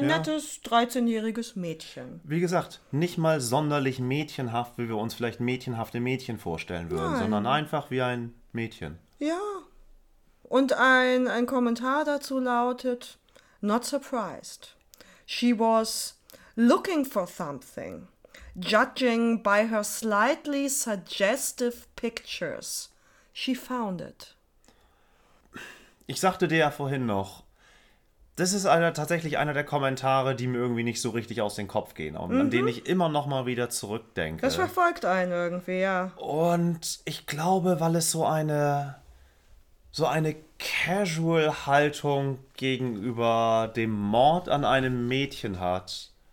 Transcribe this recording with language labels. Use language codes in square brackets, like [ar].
[de] nettes 13-jähriges Mädchen. Wie gesagt, nicht mal sonderlich mädchenhaft, wie wir uns vielleicht mädchenhafte Mädchen vorstellen würden, sondern Nein. einfach wie ein Mädchen. Ja. Und ein Kommentar dazu lautet: [en] Not surprised. She was looking for something, judging by her slightly suggestive pictures. She found it. [de] Ich sagte dir ja vorhin noch, das ist tatsächlich einer der Kommentare, die mir irgendwie nicht so richtig aus dem Kopf gehen und an denen ich immer noch mal wieder Das zurückdenke. verfolgt einen irgendwie, ja. Und ich glaube, weil es so eine Casual-Haltung gegenüber dem Mord an einem Mädchen hat.